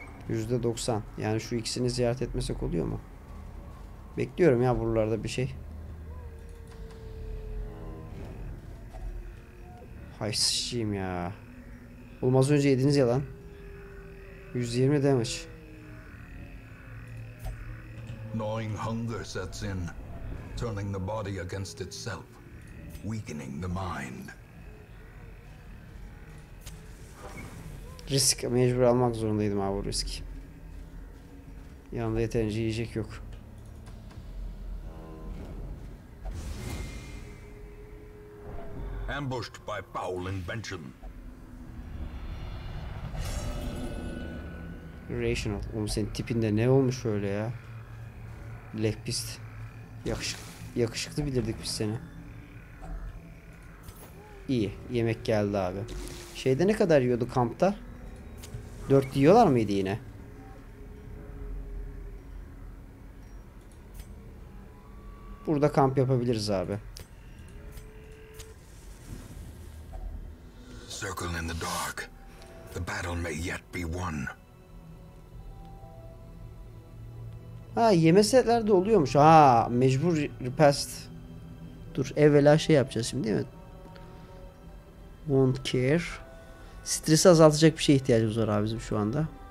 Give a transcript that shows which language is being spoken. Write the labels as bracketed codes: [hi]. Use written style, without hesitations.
[tr] %90. Yani şu ikisini ziyaret etmesek oluyor mu? Bekliyorum ya buralarda bir şey. Hay sıçayım ya. Oğlum az önce yediniz ya lan. [en] 120 damage. Gnawing hunger sets in, turning the body against itself, weakening the mind. [tr] Risk, mecbur almak zorundaydım abi bu riski. Yanında yeterince yiyecek yok. [en] Ambushed by foul invention. [tr] Rational, oğlum senin tipinde ne olmuş öyle ya? Lehpist. Yakışıklı bilirdik biz seni. İyi. Yemek geldi abi. Şeyde ne kadar yiyordu kampta? 4 yiyorlar mıydı yine? Burada kamp yapabiliriz abi. [en] Circle in the dark. The battle may yet be won. [tr] Ha yeme setler de oluyormuş. Ha mecbur repast. Dur evvela şey yapacağız şimdi değil mi? Wound care. Stresi azaltacak bir şeye ihtiyacımız var abi bizim şu anda.